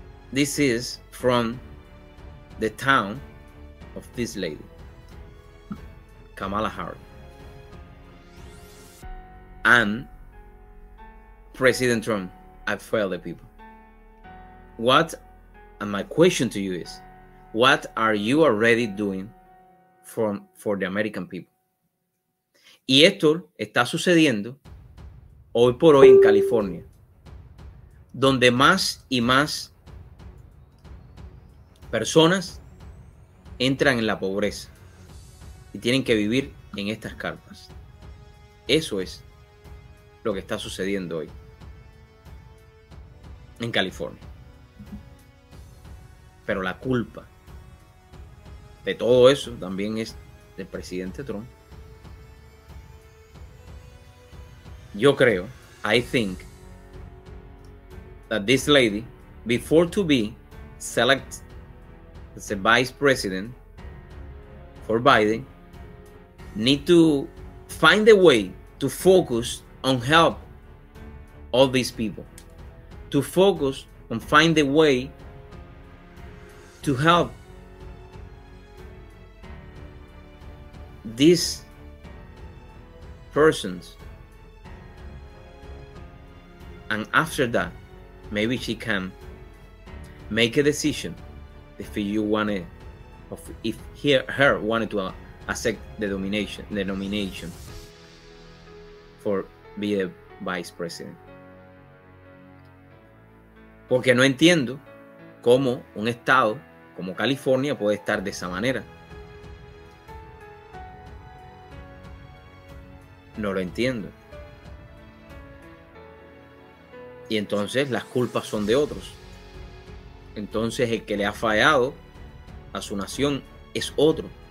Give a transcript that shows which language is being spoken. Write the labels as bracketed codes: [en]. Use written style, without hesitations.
[en] This is from the town of this lady, Kamala Harris, and President Trump. I fail the people. What, and my question to you is, what are you already doing for the American people. [es] Y esto está sucediendo hoy por hoy en California, donde más y más personas entran en la pobreza y tienen que vivir en estas carpas. Eso es lo que está sucediendo hoy en California. Pero la culpa de todo eso también es del presidente Trump. Yo creo, [en] I think, that this lady, before to be selected as a vice president for Biden, need to find a way to focus on help all these people. To focus on find a way to help these persons. And after that, maybe she can make a decision if you wanted, if her wanted to accept the nomination for be a vice president. [es] Porque no entiendo cómo un estado como California puede estar de esa manera. No lo entiendo. Y entonces las culpas son de otros. Entonces el que le ha fallado a su nación es otro.